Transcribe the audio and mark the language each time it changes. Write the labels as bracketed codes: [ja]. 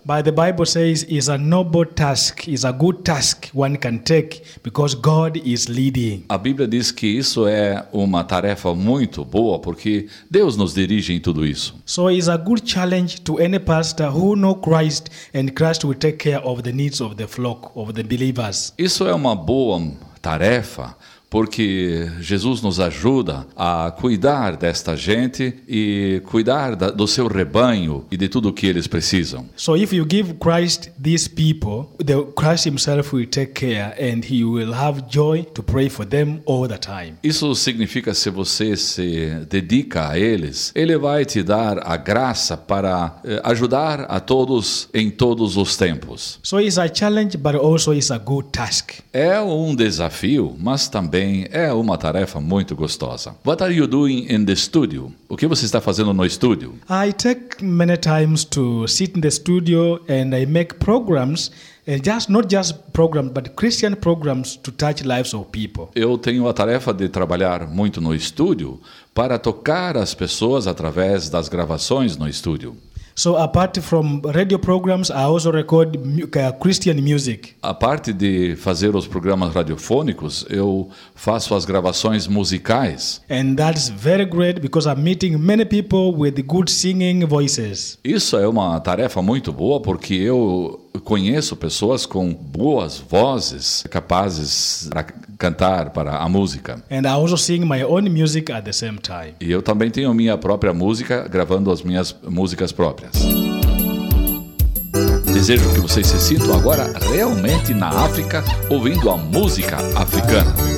[en] But the Bible says it's a noble task, it's a good task one can take because God is leading. [pt] A Bíblia diz que isso é uma tarefa muito boa porque Deus nos dirige em tudo isso. [en] So it's a good challenge to any pastor who know Christ and Christ will take care of the needs of the flock, of the believers. [pt] Isso é uma boa tarefa, porque Jesus nos ajuda a cuidar desta gente e cuidar do seu rebanho e de tudo o que eles precisam. [en] So if you give Christ these people, Christ himself will take care and he will have joy to pray for them all the time. [pt] Isso significa, se você se dedica a eles, ele vai te dar a graça para ajudar a todos em todos os tempos. [en] So it's a challenge, but also it's a good task. [pt] É um desafio, mas também é uma tarefa muito gostosa. [en] What are you doing in the studio? [pt] O que você está fazendo no estúdio? [en] I take many times to sit in the studio and I make programs, and just not just programs, but Christian programs to touch lives of people. [pt] Eu tenho a tarefa de trabalhar muito no estúdio para tocar as pessoas através das gravações no estúdio. [en] So apart from radio programs, I also record Christian music. [pt] A parte de fazer os programas radiofônicos, eu faço as gravações musicais. [en] And that's very great because I'm meeting many people with good singing voices. [pt] Isso é uma tarefa muito boa porque eu conheço pessoas com boas vozes, capazes para cantar para a música. [en] And I also sing my own music at the same time. [pt] E eu também tenho minha própria música, gravando as minhas músicas próprias. Desejo que vocês se sintam agora realmente na África, ouvindo a música africana.